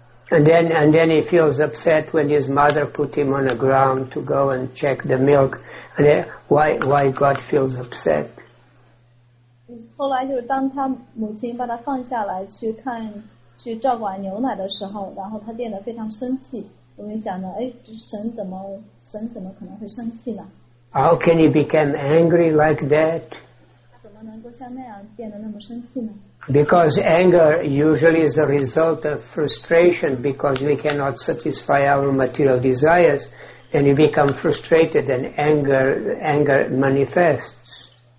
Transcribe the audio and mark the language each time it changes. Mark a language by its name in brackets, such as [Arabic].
[English] And then he feels upset when his mother put him on the ground to go and check the milk. And then, why God feels upset? [Chinese] 后来就是当他母亲把他放下来去看去照管牛奶的时候，然后他变得非常生气。我们想着，哎，神怎么可能会生气呢？ [English] How can he become angry like that? [Chinese] 他怎么能够像那样变得那么生气呢？ [English] Because anger usually is a result of frustration, because we cannot satisfy our material desires, and you become frustrated, and anger manifests.